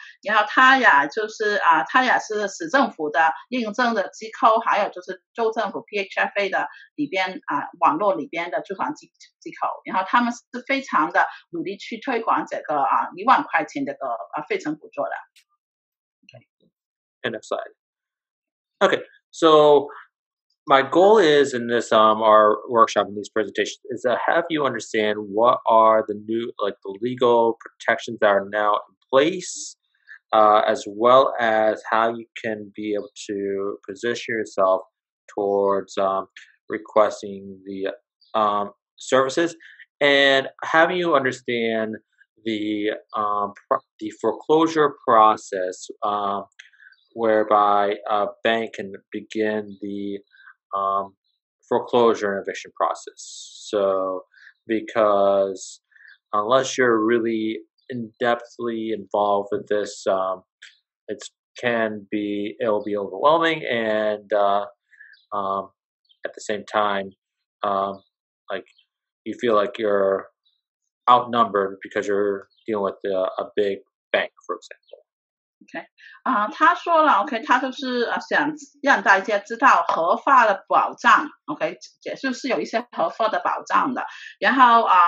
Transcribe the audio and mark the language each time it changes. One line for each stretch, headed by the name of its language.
Chinese: 然后他也就是他也是市政府的应征的机构，还有就是州政府 PHFA 的里边网络里边的住房机构。然后他们是非常的努力去推广这个10000块钱的个费城补助的。
English: End of slide. Okay, so my goal is in this our workshop and these presentations is to have you understand what are the new the legal protections that are now in place, as well as how you can be able to position yourself towards requesting the services and having you understand the foreclosure process. Whereby a bank can begin the foreclosure and eviction process. So, because unless you're really in-depthly involved with this, it'll be overwhelming. And at the same time, you feel like you're outnumbered because you're dealing with a big bank, for example.
Chinese: OK, 他说了 ,OK, 他就是想让大家知道合法的保障 ,OK, 也就是有一些合法的保障的然后